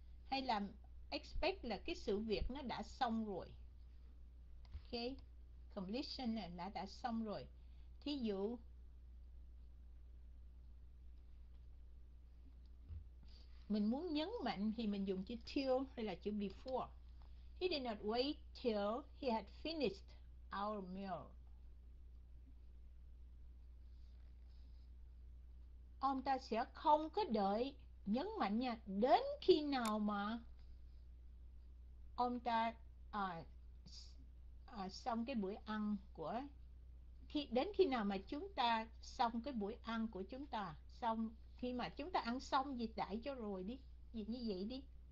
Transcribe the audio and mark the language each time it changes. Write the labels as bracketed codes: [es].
[vi] Hay là expect là cái sự việc nó đã xong rồi. Okay. Completion là đã xong rồi. Thí dụ mình muốn nhấn mạnh thì mình dùng chữ till hay là chữ before. [en] He did not wait till he had finished our meal. [vi] Ông ta sẽ không có đợi, nhấn mạnh nha, đến khi nào mà ông ta xong cái buổi ăn của khi đến khi nào mà chúng ta xong cái buổi ăn của chúng ta, xong khi mà chúng ta ăn xong gì đãi cho rồi đi, gì như vậy đi.